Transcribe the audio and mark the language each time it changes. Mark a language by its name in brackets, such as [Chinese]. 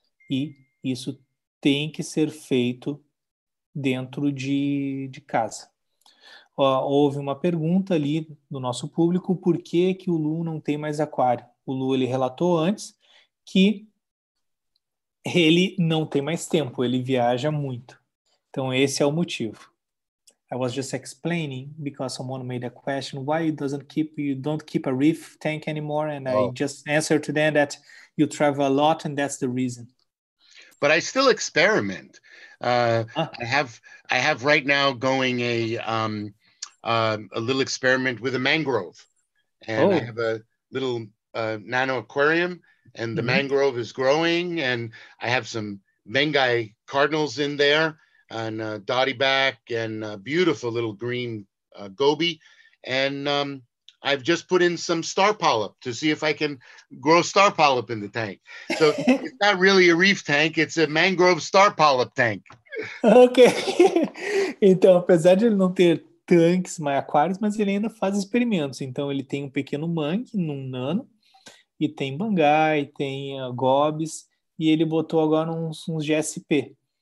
[Portuguese] E isso tem que ser feito dentro de casa. Houve uma pergunta ali do nosso público, por que que o Lu não tem mais aquário? O Lu, ele relatou antes que ele não tem mais tempo, ele viaja muito. Então, esse é o motivo. [English] I was just explaining because someone made a question, why you don't keep a reef tank anymore? And I just answered to them that you travel a lot and that's the reason. But I still experiment. I have right now going a little experiment with a mangrove. And I have a little nano aquarium and the mangrove is growing and I have some Bengai cardinals in there. And dotty back and a beautiful little green goby. And I've just put in some star polyp to see if I can grow star polyp in the tank. So it's not really a reef tank, it's a mangrove star polyp tank. Okay. [Portuguese] Então, apesar de ele não ter tanques, mais aquários, mas ele ainda faz experimentos. Então, ele tem um pequeno mangue num nano, e tem bangai, tem gobies, e ele botou agora uns GSP.